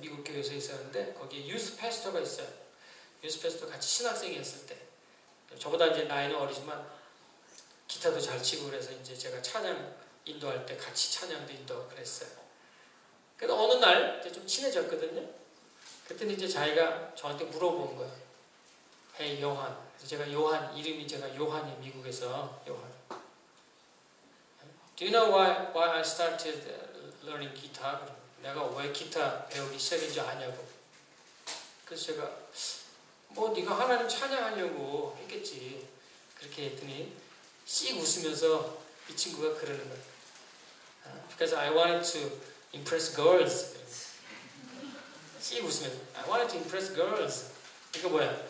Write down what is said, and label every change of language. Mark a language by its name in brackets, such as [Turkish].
[Korean] 미국 교회에서 있었는데 거기에 유스 패스터가 있어요. 유스 패스터 같이 신학생이었을 때 저보다 이제 나이는 어리지만 기타도 잘 치고 그래서 이제 제가 찬양 인도할 때 같이 찬양도 인도하고 그랬어요. 그래서 어느 날 이제 좀 친해졌거든요. 그랬더니 이제 자기가 저한테 물어본 거예요. 헤이 요한. 그래서 제가 요한 이름이 제가 요한이 미국에서 요한. [English] Do you know why I started learning guitar? [Korean] 내가 왜 기타 배우기 시작인 줄 아냐고. 그래서 제가 뭐 네가 하나님 찬양하려고 했겠지. 그렇게 했더니 씩 웃으면서 이 친구가 그러는 거야. [English] Because I wanted to impress girls. [Korean] 씩 웃으면서 [English] I wanted to impress girls. [Korean] 이거 뭐야?